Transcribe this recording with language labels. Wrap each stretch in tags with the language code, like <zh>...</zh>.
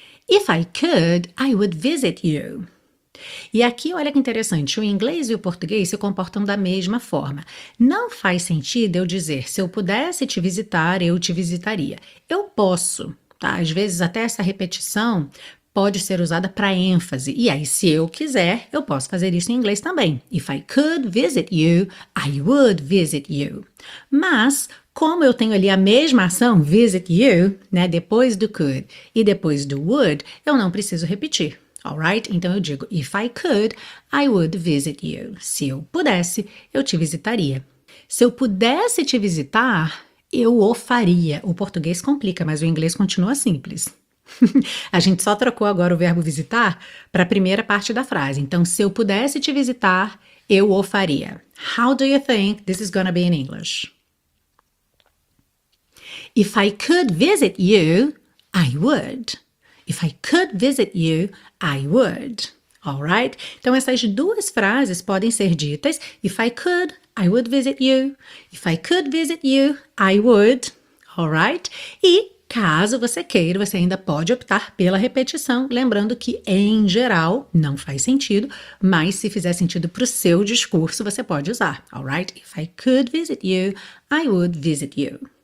<en>If I could, I would visit you.</en> <pt>E aqui, olha que interessante, o inglês e o português se comportam da mesma forma. Não faz sentido eu dizer, se eu pudesse te visitar, eu te visitaria. Eu posso, tá? Às vezes até essa repetição pode ser usada para ênfase. E aí, se eu quiser, eu posso fazer isso em inglês também.</pt> <en>If I could visit you, I would visit you.</en> <pt>Mas, como eu tenho ali a mesma ação, visit you, né, depois do could e depois do would, eu não preciso repetir.</pt> <en>All right?</en> <pt>Então eu digo,</pt> <en>if I could, I would visit you.</en> <pt>Se eu pudesse, eu te visitaria. Se eu pudesse te visitar, eu o faria. O português complica, mas o inglês continua simples. A gente só trocou agora o verbo visitar para a primeira parte da frase. Então, se eu pudesse te visitar, eu o faria.</pt> <en>How do you think this is gonna be in English? If I could visit you, I would. If I could visit you, I would. All right?</en> <pt>Então, essas duas frases podem ser ditas:</pt> <en>If I could, I would visit you. If I could visit you, I would. All right?</en> <pt>E, caso você queira, você ainda pode optar pela repetição, lembrando que, em geral, não faz sentido, mas se fizer sentido para o seu discurso, você pode usar.</pt> <en>All right? If I could visit you, I would visit you.</en>